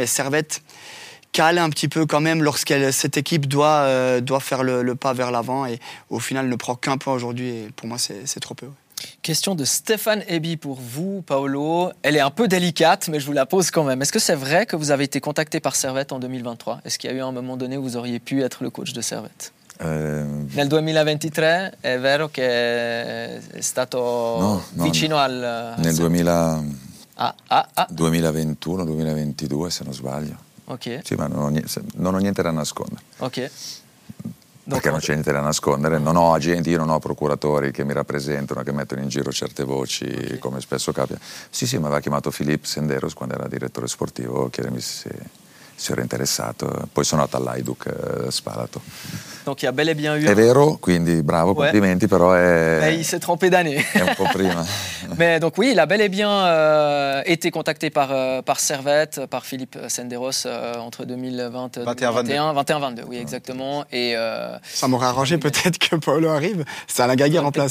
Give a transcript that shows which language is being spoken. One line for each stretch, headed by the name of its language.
French: Mais Servette cale un petit peu quand même lorsqu'elle, cette équipe doit faire le pas vers l'avant. Et au final, ne prend qu'un point aujourd'hui. Et pour moi, c'est trop peu, ouais. Question de Stéphane Ebi pour vous, Paolo. Elle est un peu délicate, mais je vous la pose quand même. Est-ce que c'est vrai que vous avez été contacté par Servette en 2023 ? Est-ce qu'il y a eu un moment donné où vous auriez pu être le coach de Servette ?
Italian: Nel 2023, è vero che è stato vicino al. Nel 2021-2022, se non sbaglio. Ok. Sì, ma non ho niente da nascondere. Ok. Perché non c'è niente da nascondere, non ho agenti, io non ho procuratori che mi rappresentano, che mettono in giro certe voci, okay. Come spesso capita. Sì, mi aveva chiamato Philippe Senderos quando era direttore sportivo, chiedermi se ero interessato. Poi sono andato all'Aiduc Spalato.
French: Donc il y a bel et bien eu.
Italian: È vero, quindi bravo, ouais. Complimenti, però è.
French: Mais il s'est trompé d'année.
Italian: È un po' prima.
French: Mais donc oui, il a bel et bien été contacté par Servette, par Philippe Senderos entre 2021-22, oui, exactement. Et ça m'aurait arrangé peut-être que Paolo arrive. C'est Alain Gaguerre en place.